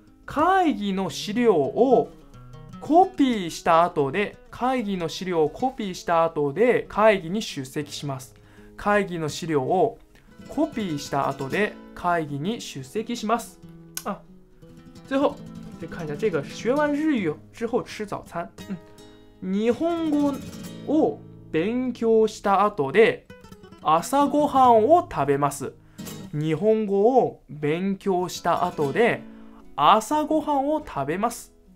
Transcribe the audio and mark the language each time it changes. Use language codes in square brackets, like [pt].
[ja] 会議の資料をコピーした後で、会議の資料をコピーした後で会議に出席します。会議の資料をコピーした後で会議に出席します。 [zh] 啊，最后再看一下这个，学完日语之后吃早餐。 [ja] 日本語を勉強した後で朝ごはんを食べます。日本語を勉強した後で朝ごはんを食べます。